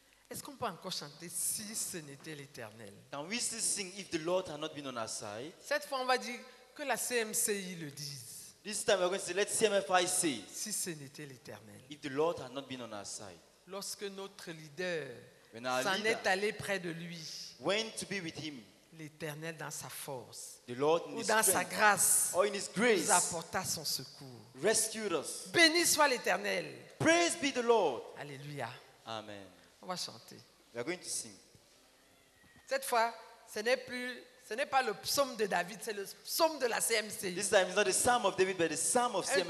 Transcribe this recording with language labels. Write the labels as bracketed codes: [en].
[fr] Est-ce qu'on peut encore chanter si ce n'était l'Éternel? [en] Can we still sing if the Lord had not been on our side? [fr] Cette fois, on va dire que la CMCI le dise. [en] This time, we're going to say, let CMFI say. [fr] Si ce n'était l'Éternel. [en] If the Lord had not been on our side. [fr] Lorsque notre leader s'en est allé près de lui. [en] Went to be with him. [fr] L'Éternel dans sa force. [en] The Lord in [fr] ou dans [en] strength, [fr] sa grâce. [en] Or in his grace. [fr] Nous apporta son secours. [en] Rescued us. [fr] Béni soit l'Éternel. [en] Praise be the Lord. [fr] Alléluia. [en] Amen. [fr] On va chanter. [en] We are going to sing. [fr] Cette fois, ce n'est pas le psaume de David, c'est le psaume de la CMCI. [en] This time, it's not the psalm of David, but the psalm of CMFI.